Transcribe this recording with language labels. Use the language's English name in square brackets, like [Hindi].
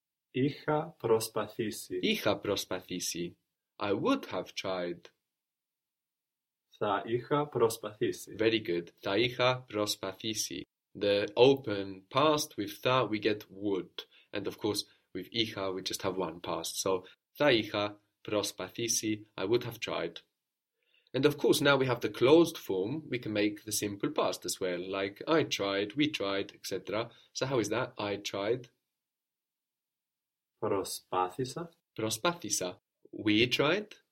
[Greek] Είχα προσπαθήσει. Είχα προσπαθήσει. [English] I would have tried. [Greek] Θα είχα προσπαθήσει. [English] Very good. [Greek] Θα είχα προσπαθήσει. [English] The open past with θα we get would. And of course, with είχα we just have one past. [Greek] So, θα είχα προσπαθήσει. [English] I would have tried. And of course, now we have the closed form, we can make the simple past as well, like I tried, we tried, etc. So how is that? I tried. [Greek] Προσπάθησα. Προσπάθησα. [English] We tried.